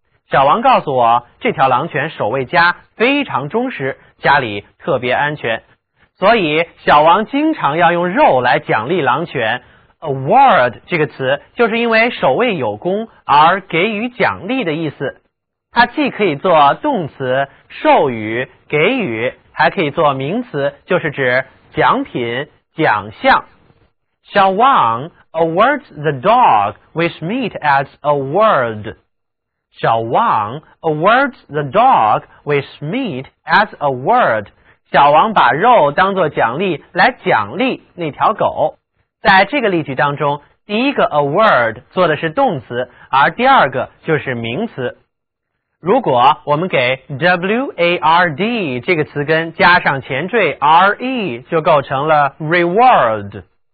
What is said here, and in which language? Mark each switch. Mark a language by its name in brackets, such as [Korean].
[Chinese] 小王告诉我，这条狼犬守卫家非常忠实，家里特别安全，所以小王经常要用肉来奖励狼犬。 award 这个词就是因为守卫有功而给予奖励的意思，它既可以做动词授予、给予，还可以做名词，就是指奖品、奖项。 [English] 小王 awards the dog with meat as award。小王 awards the dog with meat as award。 [Chinese] 小王把肉当作奖励来奖励那条狗。在这个例句当中，第一个 award 做的是动词，而第二个就是名词。如果我们给 WARD 这个词根加上前缀 RE， 就构成了 reward。